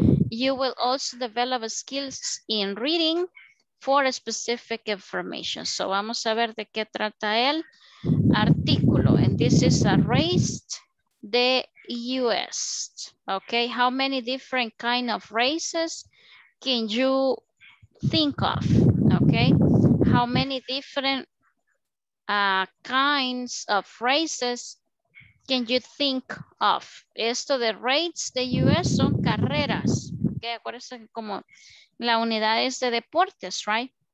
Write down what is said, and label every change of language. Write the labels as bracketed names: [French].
[English] You will also develop skills in reading for specific information. [Spanish] So vamos a ver de qué trata el artículo. [English] And this is a race the US. Okay, how many different kind of races can you think of? Okay, how many different kinds of races can you think of? [Spanish] Esto de race the US son carreras. Okay, acuérdense que como la unidad es de deportes, right?